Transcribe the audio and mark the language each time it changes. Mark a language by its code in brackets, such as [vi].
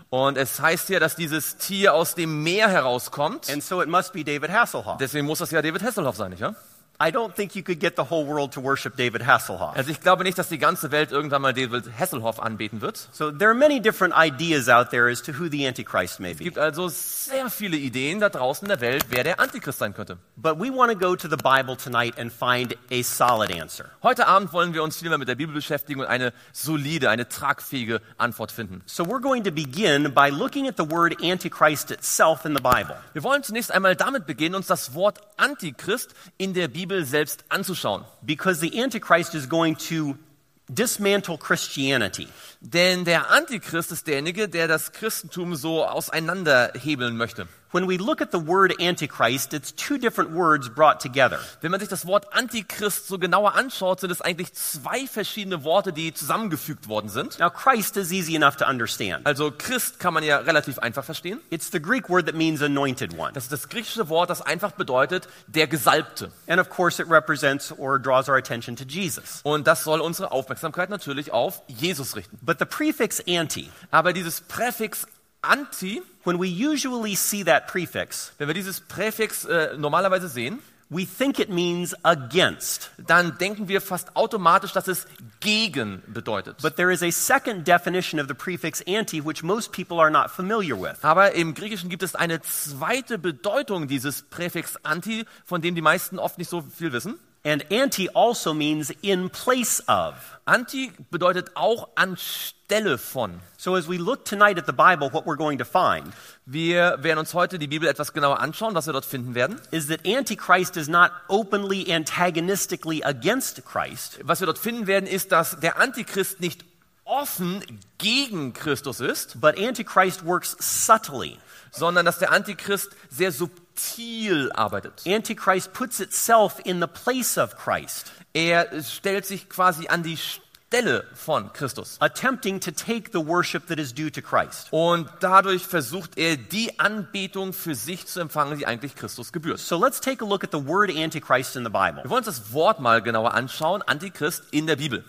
[de] Und es heißt ja, dass dieses Tier aus dem Meer herauskommt. [en] And so it must be David Hasselhoff. [de] Deswegen muss das ja David Hasselhoff sein, nicht wahr? Ja? [en] I don't think you could get the whole world to worship David Hasselhoff. [de] Also ich glaube nicht, dass die ganze Welt irgendwann mal David Hasselhoff anbeten wird. [en] So there are many different ideas out there as to who the Antichrist may be. [de] Es gibt also sehr viele Ideen da draußen in der Welt, wer der Antichrist sein könnte. [en] But we want to go to the Bible tonight and find a solid answer. [de] Heute Abend wollen wir uns vielmehr mit der Bibel beschäftigen und eine solide, eine tragfähige Antwort finden. [en] So we're going to begin by looking at the word Antichrist itself in the Bible. [de] Wir wollen zunächst einmal damit beginnen, uns das Wort Antichrist in der Bibel selbst anzuschauen. [en] Because the Antichrist is going to dismantle Christianity. [de] Denn der Antichrist ist derjenige, der das Christentum so auseinanderhebeln möchte. [en] When we look at the word Antichrist, it's two different words brought together. [de] Wenn man sich das Wort Antichrist so genauer anschaut, sind es eigentlich zwei verschiedene Worte, die zusammengefügt worden sind. [en] Now Christ is easy enough to understand. [de] Also Christ kann man ja relativ einfach verstehen. [en] It's the Greek word that means anointed one. [de] Das ist das griechische Wort, das einfach bedeutet der Gesalbte. [en] And of course it represents or draws our attention to Jesus. [de] Und das soll unsere Aufmerksamkeit natürlich auf Jesus richten. [en] But the prefix anti. [de] Aber dieses Präfix anti. [en] When we usually see that prefix, [de] wenn wir dieses Präfix normalerweise sehen, [en] we think it means against. [de] Dann denken wir fast automatisch, dass es gegen bedeutet. [en] But there is a second definition of the prefix anti, which most people are not familiar with. [de] Aber im Griechischen gibt es eine zweite Bedeutung dieses Präfix anti, von dem die meisten oft nicht so viel wissen. [en] And anti also means in place of. [de] Anti bedeutet auch anstelle von. [en] So as we look tonight at the Bible, what we're going to find, [de] wir werden uns heute die Bibel etwas genauer anschauen, was wir dort finden werden, [en] is that Antichrist is not openly antagonistically against Christ. [de] Was wir dort finden werden, ist, dass der Antichrist nicht offen gegen Christus ist, [en] but Antichrist works subtly, [de] sondern dass der Antichrist sehr subtil arbeitet. [en] Antichrist puts itself in the place of Christ. [de] Er stellt sich quasi an die Stelle von Christus. [en] Attempting to take the worship that is due to Christ. [de] Und dadurch versucht er, die Anbetung für sich zu empfangen, die eigentlich Christus gebührt. [en] So let's take a look at the word Antichrist in the Bible. [de] Wir wollen uns das Wort mal genauer anschauen, Antichrist in der Bibel.